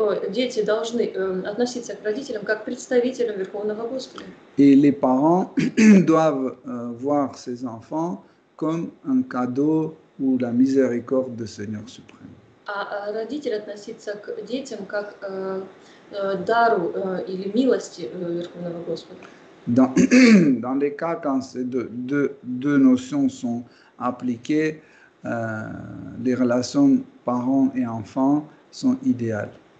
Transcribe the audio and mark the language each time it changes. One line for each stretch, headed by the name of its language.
Russian: Дети должны относиться к родителям как к представителям Верховного Господа.
French: Et les parents doivent voir ces enfants comme un cadeau ou la miséricorde du Seigneur suprême.
Russian: А родители относиться к детям как дару или милости Верховного Господа.
French: Dans les cas quand ces deux notions sont appliquées, les relations parents et enfants sont idéales.